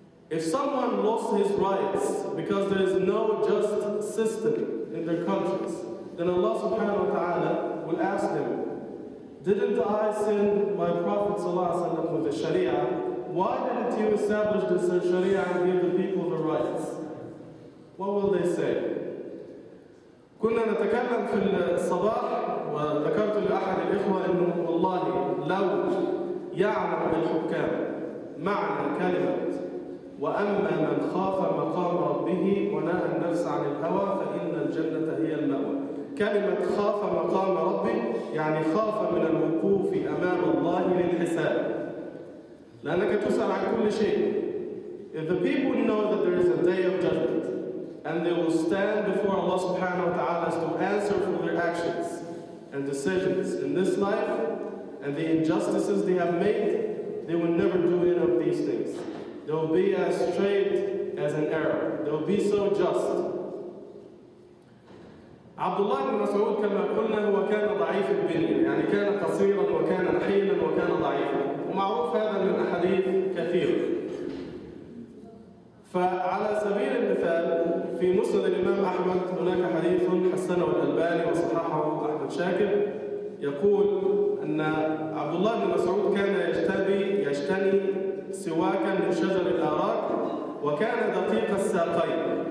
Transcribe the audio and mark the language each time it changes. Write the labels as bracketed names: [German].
[English] If someone lost his rights because there is no just system in their countries, then Allah subhanahu wa ta'ala will ask them, didn't I send my Prophet sallallahu alaihi wasallam with the Sharia? Why didn't you establish this Sharia and give the people the rights? What will they say? [Arabic] كنا نتكلم في الصباح وذكرت لأحد الإخوة أنه والله لو يعلم الحكام معنى كلمة وأما من خاف مقام ربه ونهى النفس عن الهوى فإن الجنة هي المأوى. كلمة خاف مقام ربه يعني خاف من الوقوف أمام الله للحساب. لأنك تسأل عن كل شيء. [English] If the people know that there is a day of judgment and they will stand before Allah subhanahu wa ta'ala to answer for their actions and decisions in this life and the injustices they have made, they will never do any of these things. They will be as straight as an arrow. They will be so just. [Arabic] Abdullah ibn Mas'ud, كما قلنا, هو كان ضعيف البنية, يعني كان قصيرا وكان نحيلا وكان ضعيفا. ومعروف هذا من الأحاديث كثير. فعلى سبيل المثال, في مسند الإمام أحمد هناك حديث حسنه الألباني وصححه أحمد شاكر, يقول أن عبدالله بن مسعود كان يشتني سواكا من شجر الأراك وكان دقيق الساقين.